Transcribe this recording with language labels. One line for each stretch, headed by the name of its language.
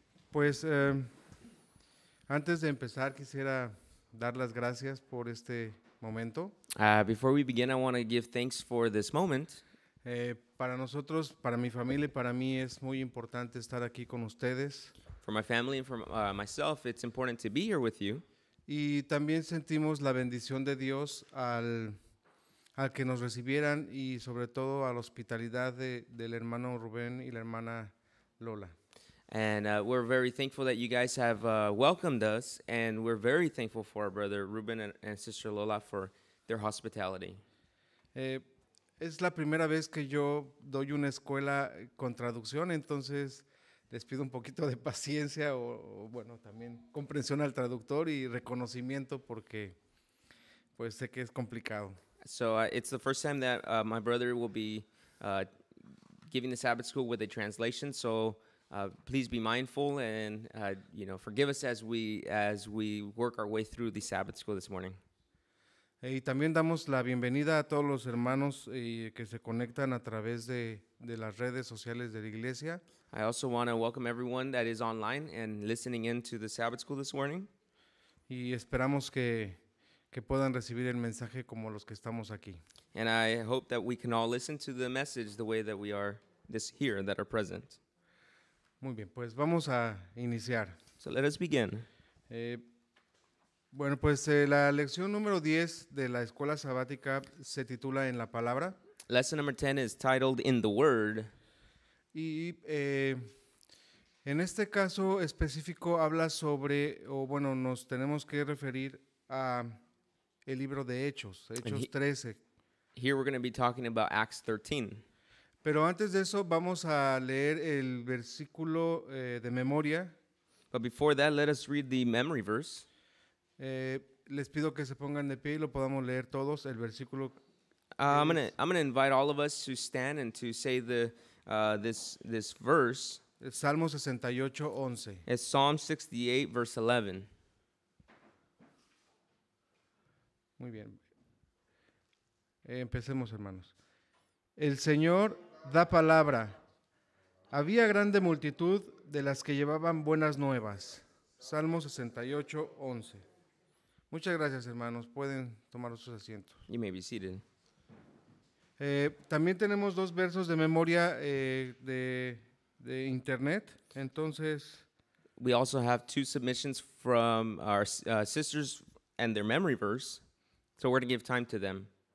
Spanish: Pues, antes de empezar, quisiera dar las gracias por este momento.
English: Before we begin, I want to give thanks for this moment.
Spanish: Para nosotros, para mi familia y para mí, es muy importante estar aquí con ustedes.
English: For my family and for myself, it's important to be here with you.
Spanish: Y también sentimos la bendición de Dios al que nos recibieran y sobre todo a la hospitalidad del hermano Rubén y la hermana Lola.
English: And we're very thankful that you guys have welcomed us, and we're very thankful for our brother Rubén and sister Lola for their hospitality.
Spanish: Es la primera vez que yo doy una escuela con traducción, entonces les pido un poquito de paciencia o también comprensión al traductor y reconocimiento porque pues sé que es complicado.
English: So it's the first time that my brother will be giving the Sabbath school with a translation. So please be mindful and forgive us as we work our way through the Sabbath school this morning.
Spanish: Y también damos la bienvenida a todos los hermanos que se conectan a través de las redes sociales de la iglesia.
English: I also want to welcome everyone that is online and listening in to the Sabbath School this morning.
Spanish: Y esperamos que puedan recibir el mensaje como los que estamos aquí.
English: And I hope that we can all listen to the message the way that we are this here that are present.
Spanish: Muy bien, pues vamos a iniciar.
English: So let us begin.
Spanish: La lección número 10 de la escuela sabática se titula En la Palabra.
English: Lesson number 10 is titled In the Word.
Spanish: Y en este caso específico habla sobre, nos tenemos que referir a el libro de Hechos, Hechos 13.
English: Here we're going to be talking about Acts 13.
Spanish: Pero antes de eso vamos a leer el versículo de memoria.
English: But before that, let us read the memory verse.
Spanish: Les pido que se pongan de pie y lo podamos leer todos, el versículo.
English: I'm gonna invite all of us to stand and to say this verse.
Spanish: Salmo 68:11.
English: It's Psalm 68, verse 11.
Spanish: Muy bien. Empecemos, hermanos. El Señor da palabra. Había grande multitud de las que llevaban buenas nuevas. Salmo 68:11. Muchas gracias, hermanos. Pueden tomar sus asientos.
English: You may be seated.
Spanish: También tenemos dos versos de memoria de internet. Entonces,
English: we also have two submissions from our sisters and their memory verse. So we're going to give time to them.